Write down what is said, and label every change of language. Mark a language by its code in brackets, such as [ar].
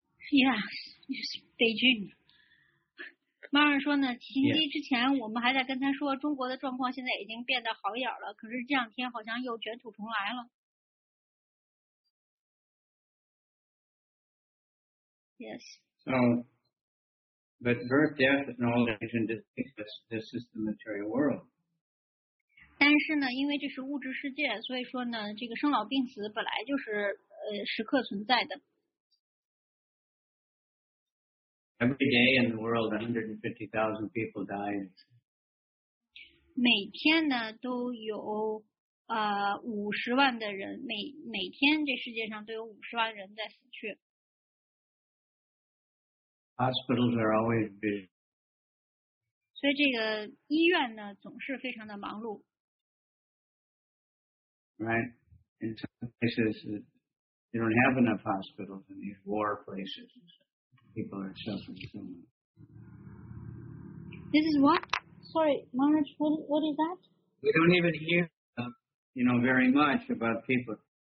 [en] Yes, Beijing. [zh] 妈妈说呢，停机之前我们还在跟他说中国的状况现在已经变得好一点了，可是这两天好像又卷土重来了。 Yes. [en] So, but birth, death, and old age and disease, this is the material world. [zh] 但是呢，因为这是物质世界，所以说呢，这个生老病死本来就是时刻存在的。 [en] Every day in the world, 150,000 people die. [zh] 每天呢都有五十万的人每天这世界上都有五十万人在死去。 [en] Hospitals are always busy. [zh] 所以这个医院呢总是非常的忙碌。 [en] Right, in some places you don't have enough hospitals in these war places. People are suffering so much. This is what? Sorry, Maharaj, what is that? We don't even hear, very much about people.